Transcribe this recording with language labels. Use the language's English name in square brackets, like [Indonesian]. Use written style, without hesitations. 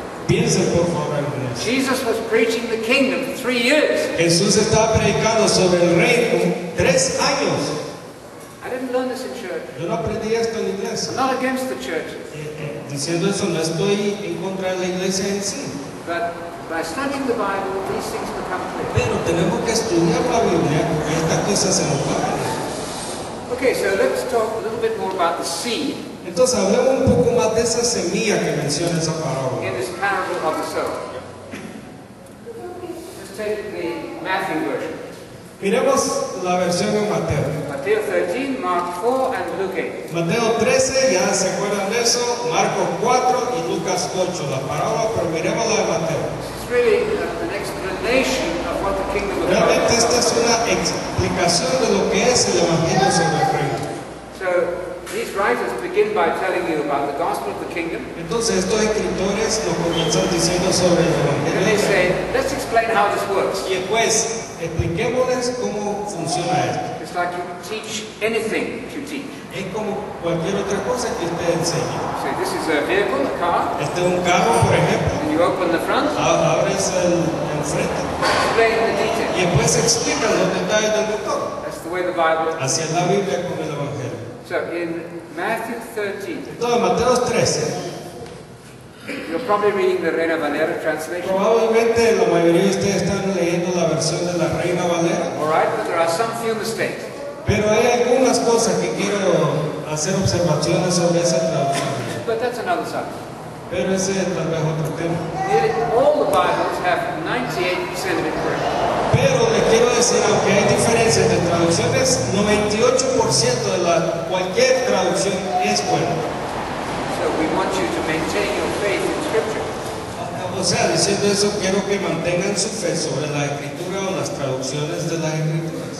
[Spanish] Piense por favor en eso. [English] Jesus was preaching the kingdom for 3 years. [Spanish] Jesús estaba predicando sobre el reino 3 años. [English] I didn't learn this in church. [Spanish] Yo no aprendí esto en iglesia. [English] I'm not against the church. [Spanish] Diciendo eso, no estoy en contra de la iglesia en sí. [English] But by studying the Bible, these things become clear. [Spanish] Pero tenemos que estudiar la Biblia y estas cosas se nos van. [English] Okay, so let's talk a little bit more about the seed. [Spanish] Entonces hablemos un poco más de esa semilla que menciona esa parábola. [English] In this parable of the sower. Let's take the Matthew version. [Spanish] Miremos la versión de Mateo. [English] Mateo 13, Mark 4, and Luke 8. [Spanish] Mateo 13, ya se acuerdan de eso. Marcos 4 y Lucas 8, la parábola, pero miremos la de Mateo. Realmente esta es una explicación de lo que es el Evangelio sobre el reino. [English] So these writers begin by telling you about the gospel of the kingdom. [Spanish] Entonces estos escritores lo comienzan diciendo sobre el Evangelio. [English] And then they say, let's explain how this works. [Spanish] Y después expliquémosles cómo funciona esto. [English] It's like you teach anything you teach. [Spanish] Es como cualquier otra cosa que usted enseñe. [English] So this is a vehicle, a car. [Spanish] Este es un carro, por ejemplo. [English] And you open the front. [Spanish] Abres el frente. [English] Explain the details. [Spanish] Y después explica los detalles del motor. [English] That's the way the Bible. [Spanish] Así es la Biblia con el Evangelio. [English] So in Matthew 13. [Spanish] Entonces, Mateo 13. [English] You're probably reading the Reina Valera translation. [Spanish] Probablemente la mayoría de ustedes están leyendo la versión de la Reina Valera. [English] All right, but there are some few mistakes. [Spanish] Pero hay algunas cosas que quiero hacer observaciones sobre esa traducción. [English] But that's another subject. [Spanish] Pero ese es tal vez otro tema. [English] All the Bibles have 98% of it correct. [Spanish] Pero les quiero decir, aunque hay diferencias de traducciones, 98% de cualquier traducción es buena. [English] So we want you to maintain your faith in Scripture. [Spanish] O sea, diciendo eso, quiero que mantengan su fe sobre la Escritura o las traducciones de las Escrituras.